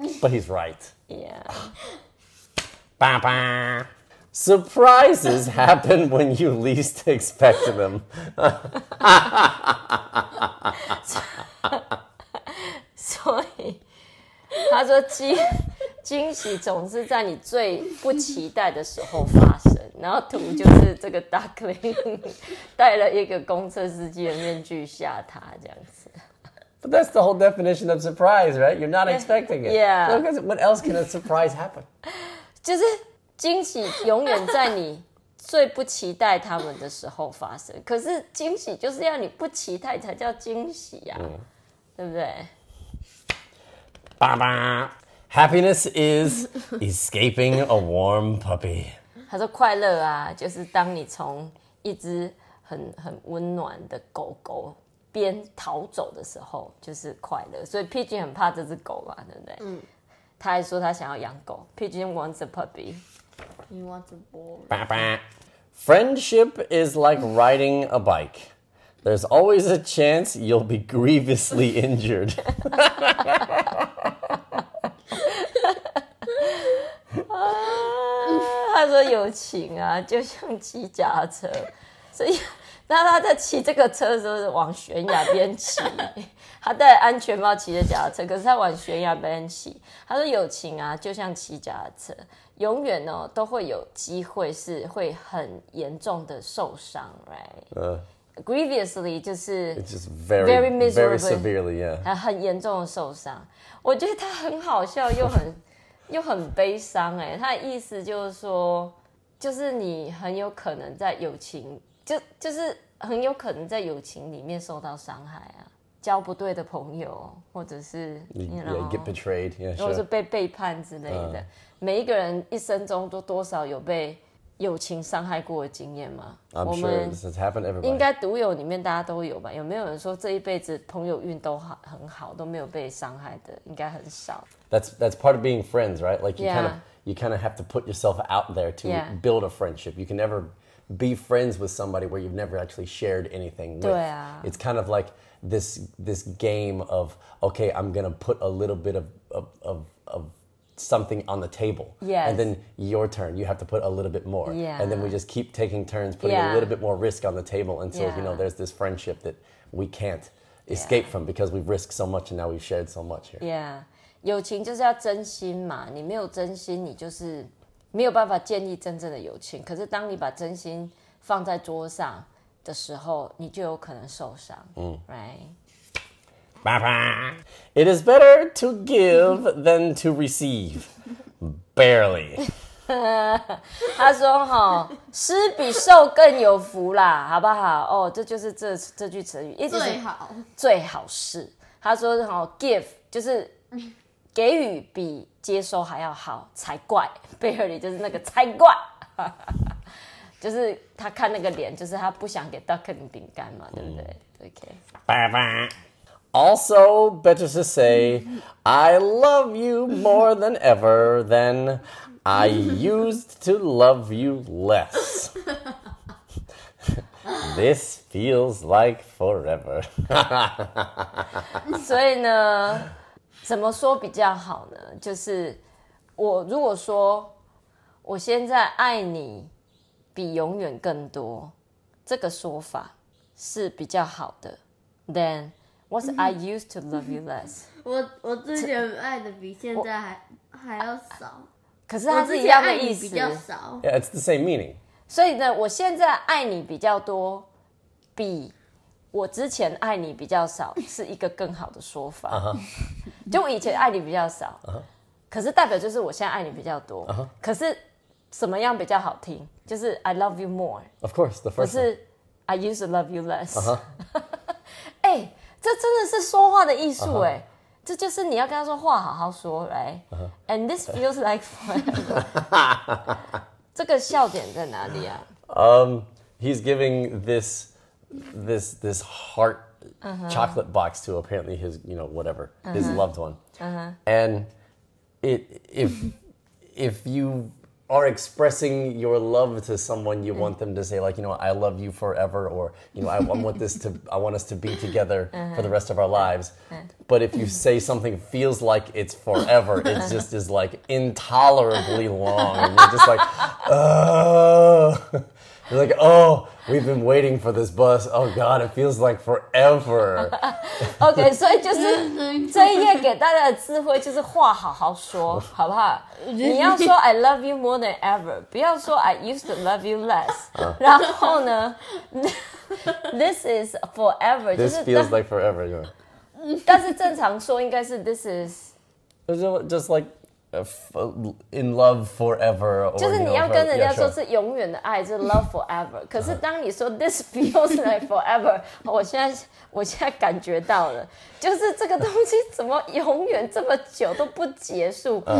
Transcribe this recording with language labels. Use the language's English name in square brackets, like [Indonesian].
[English] But he's right. Yeah. Ba ba. Surprises happen when you least expect them. [Chinese] So, 他说惊喜总是在你最不期待的时候发生。然后图就是这个 duckling 戴了一个公车司机的面具吓他这样子。 [English] But that's the whole definition of surprise, right? You're not expecting it. Yeah. So because what else can a surprise happen? [Chinese] 就是惊喜永远在你最不期待他们的时候发生。可是惊喜就是要你不期待才叫惊喜啊、嗯、对不对？ [English] 爸爸 Happiness is escaping a warm puppy. [Chinese] 他说快乐啊就是当你从一只 很温暖的狗狗边逃走的时候就是快乐。所以 Pigeon 很怕这只狗嘛对不对、嗯、他还说他想要养狗 [English] Pigeon wants a puppy. He wants a boy. Ba ba. Friendship is like riding a bike. There's always a chance you'll be grievously injured. [Chinese] 他说友情啊就像骑脚车所以那他在骑这个车的时候是往悬崖边骑他戴安全帽骑着脚车可是他往悬崖边骑他说友情啊就像骑脚车永远哦都会有机会是会很严重的受伤 right? Grievously 就是 [English] very miserable very severely、yeah. [Chinese] 很严重的受伤我觉得他很好笑又很又很悲伤哎、欸，他的意思就是说，就是你很有可能在友情，就是很有可能在友情里面受到伤害啊，交不对的朋友，或者是 [English] you know, get betrayed， [Chinese] 或者是被背叛之类的。每一个人一生中都多少有被友情伤害过的经验吗？ I'm、我们 sure, this has happened to everybody. 应该独友里面大家都有吧？有没有人说这一辈子朋友运都很好，都没有被伤害的？应该很少。 [English] That's part of being friends, right? Like you、yeah. kind of have to put yourself out there to、yeah. build a friendship. You can never be friends with somebody where you've never actually shared anything with. [Chinese] 对啊。 [English] It's kind of like this game of, okay, I'm going to put a little bit of something on the table. Yes. And then your turn, you have to put a little bit more. Yeah. And then we just keep taking turns, putting、yeah. a little bit more risk on the table until,、yeah. you know, there's this friendship that we can't escape、yeah. from because we've risked so much and now we've shared so much here. Yeah. [Chinese] 友情就是要真心嘛，你没有真心，你就是没有办法建立真正的友情。可是当你把真心放在桌上的时候，你就有可能受伤。 [English] 嗯 ，right。爸爸 ，It is better to give than to receive. Barely. [Chinese] 他说哈、哦，施比受更有福啦，好不好？哦，这就是这句成语，最好最好是他说哈、哦、，give 就是。给予比接收还要好才怪 Barely 就是那个才怪就是他看那个脸就是他不想给 Duckling 饼干嘛对不对、嗯、OK [English] Bye-bye. Also better to say I love you more than ever than I used to love you less This feels like forever [Chinese] 所以呢怎么说比较好呢？就是我如果说我现在爱你比永远更多，这个说法是比较好的。 [English] Then what I used to love you less？ [Chinese] 我之前爱的比现在还要少，可是它是一样的意思。比较少 [English] ，Yeah， it's the same meaning。 [Chinese] 所以呢，我现在爱你比较多，比我之前爱你比较少是一个更好的说法。就以前爱你比较少、uh-huh. 可是代表就是我现在爱你比较多、uh-huh. 可是什么样比较好听就是 [English] I love you more Of course, the first 可是 I used to love you less 哎、uh-huh. [Chinese] 欸、这真的是说话的艺术哎这就是你要跟他说话好好说 right?、Uh-huh. [English] And this feels like forever [Chinese] 这个笑点在哪里啊、 [English] He's giving this heartUh-huh. chocolate box to apparently his you know whatever、uh-huh. his loved one、uh-huh. and it if if you are expressing your love to someone, you want them to say, like, you know, I love you forever, or, you know, I want us to be together for the rest of our lives. But if you say something feels like it's forever, it just is like intolerably long. And you're just like, oh. You're like, oh, we've been waiting for this bus. Oh, God, it feels like forever. [Chinese] OK, 所以就是这一页给大家的智慧就是话好好说，好不好？你要说 [English] I love you more than ever, [Chinese] 不要说 [English] I used to love you less. 然后呢 this is forever. This feels like forever, yeah. [Chinese] 但是正常说应该是 [English] this is... Just like... in love forever, or, [Chinese] 就是你要跟人家说是永远的爱，就是 [English] love forever. [Chinese] 可是当你说 [English] this feels like forever, [Chinese] 我现在感觉到了，就是这个东西怎么永远这么久都不结束。